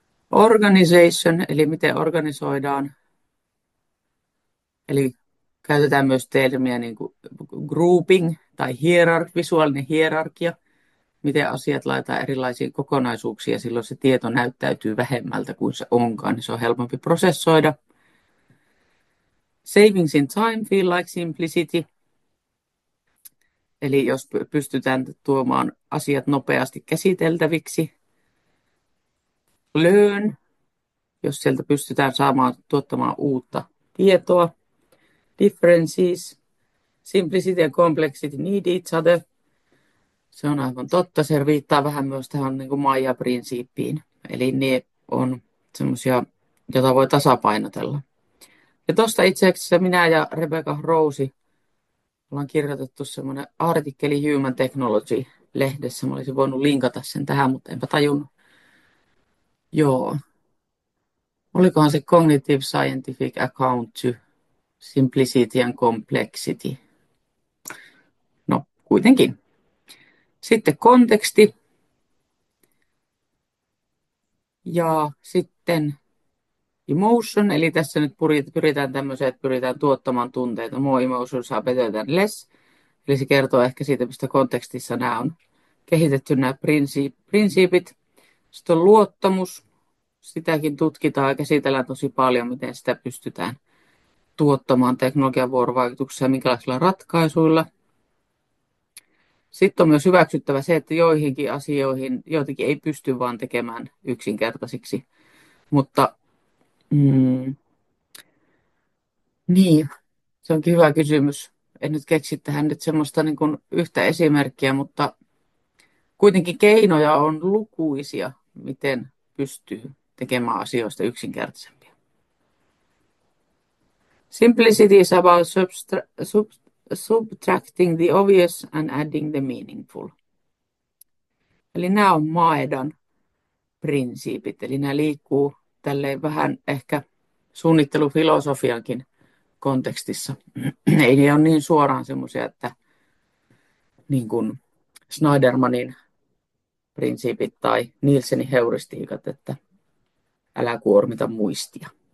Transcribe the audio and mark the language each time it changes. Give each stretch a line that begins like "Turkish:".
Finnish: Organization, eli miten organisoidaan. Eli käytetään myös termiä niin kuin grouping tai visuaalinen hierarkia. Miten asiat laitetaan erilaisiin kokonaisuuksiin ja silloin se tieto näyttäytyy vähemmältä kuin se onkaan. Niin se on helpompi prosessoida.
English: Savings in time feel like simplicity.
Finnish: Eli jos pystytään tuomaan asiat nopeasti käsiteltäviksi. Learn, jos sieltä pystytään saamaan tuottamaan uutta tietoa.
English: Differences, simplicity and complexity need each other.
Finnish: Se on aivan totta. Se viittaa vähän myös tähän niin kuin Maya-prinsiippiin. Eli ne on semmoisia, joita voi tasapainotella. Ja tuosta itse asiassa minä ja Rebecca Rose ollaan kirjoitettu semmoinen artikkeli Human Technology-lehdessä. Mä olisin voinut linkata sen tähän, mutta enpä tajunnut. Joo. Olikohan se Cognitive Scientific Account to Simplicity and Complexity? No, kuitenkin. Sitten konteksti. Ja sitten emotion, eli tässä nyt pyritään tämmöiseen, että pyritään tuottamaan tunteita.
English: More emotions are better than less.
Finnish: Eli se kertoo ehkä siitä, mistä kontekstissa nämä on kehitetty, nämä prinsiipit. Sitten on luottamus. Sitäkin tutkitaan ja käsitellään tosi paljon, miten sitä pystytään tuottamaan teknologian vuorovaikutuksessa ja minkälaisilla ratkaisuilla. Sitten on myös hyväksyttävä se, että joihinkin asioihin joitakin ei pysty vaan tekemään yksinkertaisiksi. Mutta niin, se onkin hyvä kysymys. En nyt keksi tähän nyt semmoista niin kuin yhtä esimerkkiä, mutta kuitenkin keinoja on lukuisia, miten pystyy tekemään asioista yksinkertaisempia.
English: Simplicity is about subtracting the obvious and adding the meaningful.
Finnish: Eli nämä on Maedan prinsiipit. Eli nämä liikkuu tälleen vähän ehkä suunnittelufilosofiankin kontekstissa. Ei ne ole niin suoraan semmoisia, että niin kuin Snydermanin prinsiipit tai Nielsenin heuristiikat, että älä kuormita muistia.